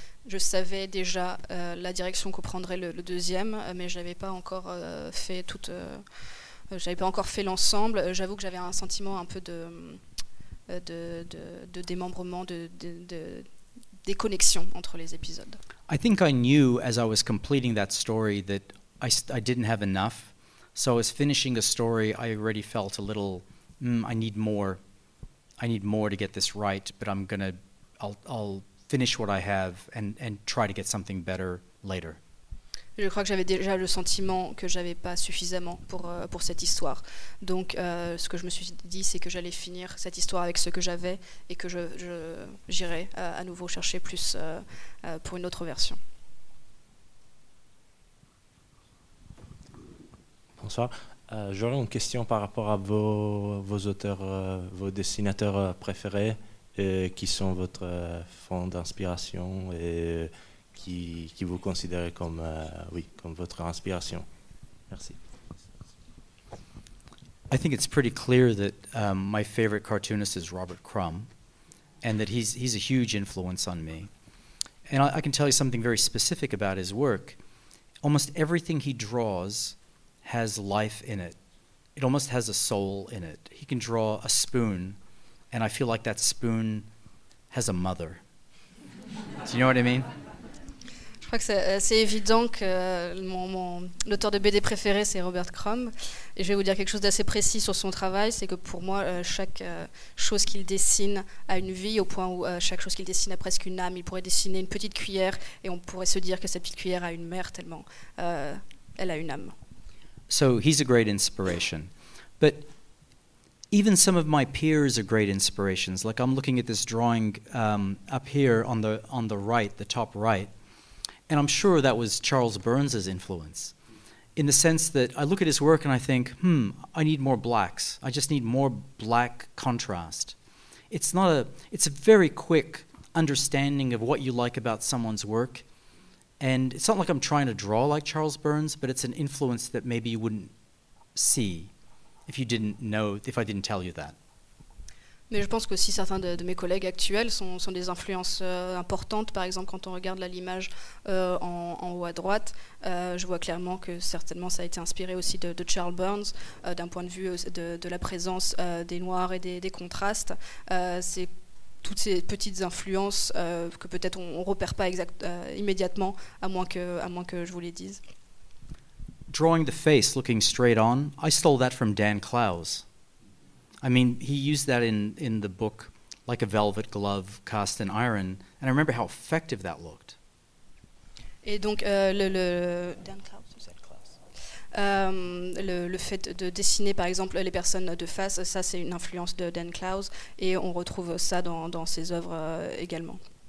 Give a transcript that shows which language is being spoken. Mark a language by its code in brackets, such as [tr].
[fr] Je savais déjà la direction que prendrait le deuxième, mais je n'avais pas encore fait toute. J'avais pas encore fait l'ensemble. J'avoue que j'avais un sentiment un peu de démembrement, de déconnexion entre les épisodes. [en] I think I knew as I was completing that story that I didn't have enough. So as finishing a story, I already felt a little. I need more. I need more to get this right. But I'll finish what I have and try to get something better later. [fr] Je crois que j'avais déjà le sentiment que j'avais pas suffisamment pour cette histoire. Donc ce que je me suis dit, c'est que j'allais finir cette histoire avec ce que j'avais et que je j'irai à nouveau chercher plus pour une autre version. Bonsoir. J'aurais une question par rapport à vos auteurs, vos dessinateurs préférés. Qui sont votre fond d'inspiration et qui vous considérez comme oui comme votre inspiration. Merci. [en] I think it's pretty clear that my favorite cartoonist is Robert Crumb, and that he's a huge influence on me. And I can tell you something very specific about his work. Almost everything he draws has life in it. It almost has a soul in it. He can draw a spoon. And I feel like that spoon has a mother. Do you know what I mean? [fr] Je crois que c'est évident que l'auteur de BD préféré, c'est Robert Crumb. Et je vais vous dire quelque chose d'assez précis sur son travail, c'est que pour moi, chaque chose qu'il dessine a une vie, au point où chaque chose qu'il dessine a presque une âme. Il pourrait dessiner une petite cuillère, et on pourrait se dire que cette petite cuillère a une mère tellement elle a une âme. [en] So he's a great inspiration. But even some of my peers are great inspirations. Like I'm looking at this drawing up here on the right, the top right, and I'm sure that was Charles Burns's influence, in the sense that I look at his work and I think, I need more blacks. I just need more black contrast. It's a very quick understanding of what you like about someone's work, and it's not like I'm trying to draw like Charles Burns, but it's an influence that maybe you wouldn't see. if you didn't know, if I didn't tell you that. [fr] Mais je pense que si certains de mes collègues actuels sont des influences importantes, par exemple quand on regarde là, l'image en haut à droite, je vois clairement que certainement ça a été inspiré aussi de Charles Burns, d'un point de vue de la présence des noirs et des contrastes. C'est toutes ces petites influences que peut-être on ne repère pas immédiatement, à moins que je vous les dise. [en] Drawing the face looking straight on, I stole that from Dan Clowes. I mean, he used that in the book, like a velvet glove cast in iron, and I remember how effective that looked. [fr] Et donc le Dan Clowes, le fait de dessiner par exemple les personnes de face, ça c'est une influence de Dan Clowes, et on retrouve ça dans ses œuvres également.